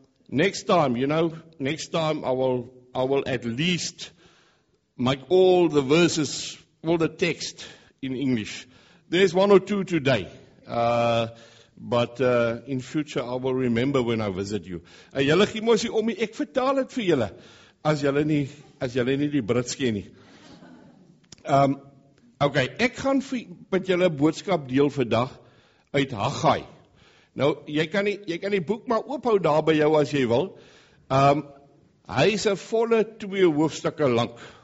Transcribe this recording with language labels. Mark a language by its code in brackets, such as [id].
[en] Next time, you know, next time I will at least make all the verses, all the text in English. There's one or two today, but in future I will remember when I visit you. [af] En jylle gee mos die omie, ek vertaal het vir jylle, as jylle nie die Brits ken nie. Okay, ek gaan met jylle boodskap deel vandag uit Haggai. Nou, jy kan die boek maar ophou daar by jou as jy wil. Hy is 'n volle 2 hoofstukke lank.